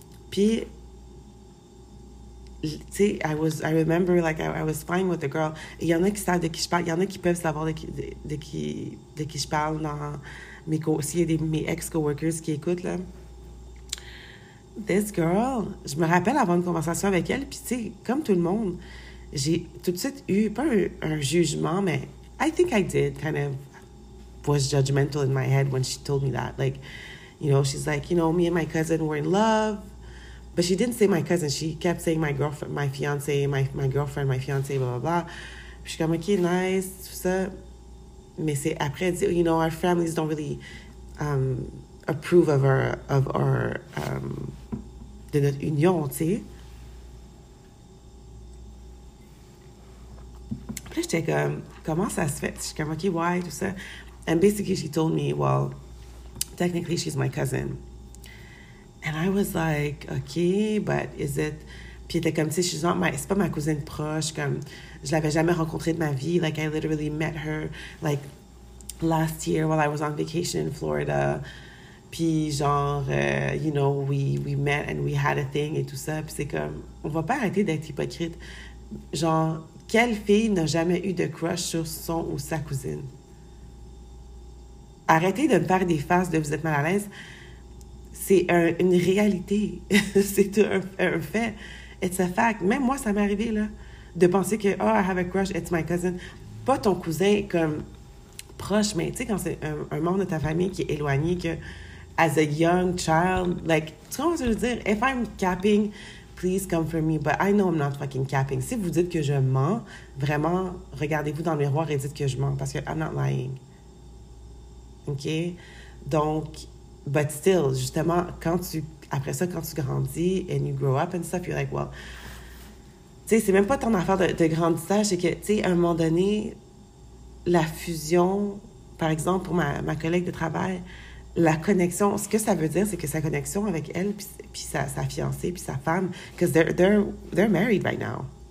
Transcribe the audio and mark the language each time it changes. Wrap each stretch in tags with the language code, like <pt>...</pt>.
<fr>Puis, tu sais,</fr> <en>I was fine with the girl.</en> <fr>Il y en a qui savent de qui je parle, il y en a qui peuvent savoir de qui je parle dans mes co s'il y a mes ex-coworkers qui écoutent, là.</fr> <en>This girl,</en> <fr>je me rappelle avoir une conversation avec elle, puis tu sais, comme tout le monde, j'ai tout de suite eu, pas un jugement, mais</fr> <en>I think I did, kind of was judgmental in my head when she told me that. Like, you know, she's like, you know, me and my cousin were in love, but she didn't say my cousin. She kept saying my girlfriend, my fiance, my girlfriend, my fiance, blah, blah, blah.</en> <fr>Puis je suis comme, OK, nice, tout ça. Mais c'est après,</fr> <en>you know, our families don't really approve of</en> <fr>de notre union, tu sais. Après, j'étais comme, comment ça se fait? Je suis comme,</fr> <en>OK, why,</en> <fr>tout ça.</fr> <en>And basically, she told me, well, technically, she's my cousin. And I was like, OK, but is it...</en> <fr>Puis elle était comme, tu sais, c'est pas ma cousine proche, comme, je l'avais jamais rencontrée de ma vie.</fr> <en>Like, I literally met her, like, last year while I was on vacation in Florida.</en> <fr>Puis genre,</fr> <en>you know, we met and we had a thing</en> <fr>et tout ça. Puis c'est comme, on va pas arrêter d'être hypocrite. Genre, quelle fille n'a jamais eu de crush sur son ou sa cousine? Arrêtez de me faire des faces de vous êtes mal à l'aise. C'est une réalité. C'est un fait.</fr> <en>It's a fact.</en> <fr>Même moi, ça m'est arrivé, là, de penser que,</fr> <en>oh, I have a crush, it's my cousin.</en> <fr>Pas ton cousin comme proche, mais tu sais, quand c'est un membre de ta famille qui est éloigné, que,</fr> <en>as a young child, like,</en> <fr>tu comprends ce que je veux dire?</fr> <en>If I'm capping, please come for me, but I know I'm not fucking capping.</en> <fr>Si vous dites que je mens, vraiment, regardez-vous dans le miroir et dites que je mens, parce que</fr> <en>I'm not lying. OK?</en> <fr>Donc,</fr> <en>but still,</en> <fr>justement, quand tu, après ça, quand tu grandis</fr> <en>and you grow up and stuff, you're like, well,</en> <fr>tu sais, c'est même pas ton affaire de grandissage, c'est que, tu sais, à un moment donné, la fusion, par exemple, pour ma collègue de travail, la connexion, ce que ça veut dire, c'est que sa connexion avec elle, puis sa fiancée, puis sa femme,</fr> <en>because they're married right now.</en>